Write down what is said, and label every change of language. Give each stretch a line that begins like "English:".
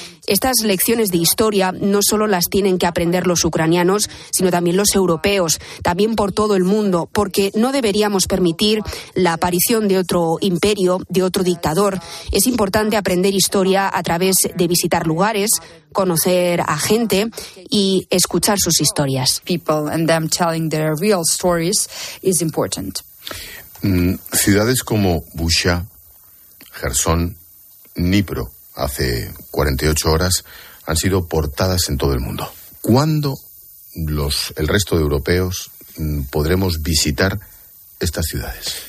Spanish: Estas lecciones de historia no solo las tienen que aprender los ucranianos, sino también los europeos, también por todo el mundo, porque no deberíamos permitir la aparición de otro imperio, de otro dictador. Es importante aprender historia a través de visitar lugares, conocer a gente y escuchar sus historias.
English: People and them telling their real stories is important.
Spanish: Ciudades como Bucha, Jersón, Dnipro, hace 48 horas, han sido portadas en todo el mundo. ¿Cuándo el resto de europeos podremos visitar estas ciudades?